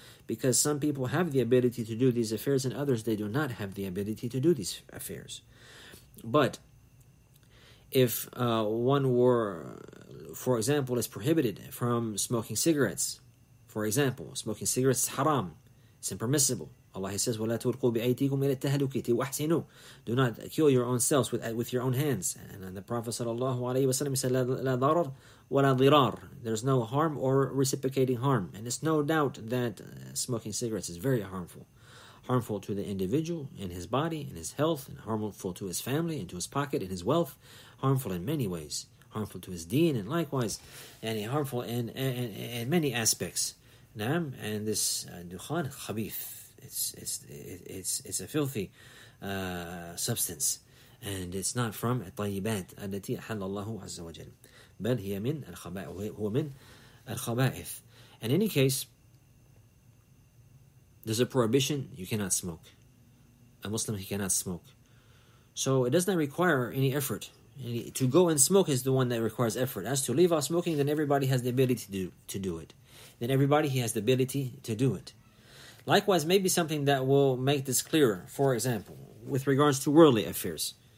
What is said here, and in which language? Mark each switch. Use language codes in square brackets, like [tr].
[en] Because some people have the ability to do these affairs, and others they do not have the ability to do these affairs. But if one were, for example, is prohibited from smoking cigarettes, for example, smoking cigarettes is haram, it's impermissible. Allah says, [ar] وَلَا تُلْقُوا بِأَيْتِيكُمْ إِلَى التَّهْلُكَةِ وَأَحْسِنُوا. [en] Do not kill your own selves with your own hands. And then the Prophet sallallahu alayhi wa sallam said, [ar] لَا ضَرَرْ وَلَا ضِرَارْ. [en] There's no harm or reciprocating harm. And it's no doubt that smoking cigarettes is very harmful. Harmful to the individual, in his body, in his health, and harmful to his family, into his pocket, in his wealth. Harmful in many ways. Harmful to his deen, and likewise, and harmful in many aspects. Naam, and this dukhan, khabith. It's a filthy substance, and it's not from [ar] الطيبات التي أحل الله عز وجل بل هي من الخبائث هو من الخبائث. [en] In any case, there's a prohibition. You cannot smoke. A Muslim, he cannot smoke. So it does not require any effort. To go and smoke is the one that requires effort. As to leave off smoking, then everybody has the ability to do it. Then everybody, he has the ability to do it. Likewise, maybe something that will make this clearer, for example, with regards to worldly affairs.